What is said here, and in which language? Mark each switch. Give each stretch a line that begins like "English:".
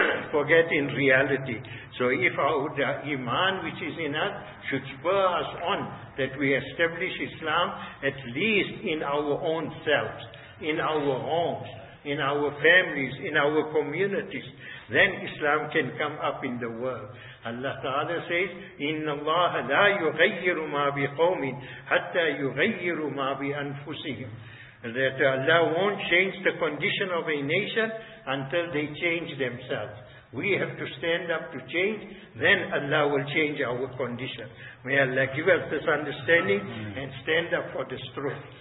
English: Forget in reality. So if our iman which is in us should spur us on that we establish Islam, at least in our own selves, in our homes, in our families, in our communities, then Islam can come up in the world. Allah Ta'ala says,
Arabic: إِنَّ اللَّهَ لَا يُغَيِّرُ مَا بِقَوْمٍ حَتَّى يُغَيِّرُ مَا بِأَنفُسِهِمْ.
English: That Allah won't change the condition of a nation until they change themselves. We have to stand up to change, then Allah will change our condition. May Allah give us this understanding and stand up for this truth.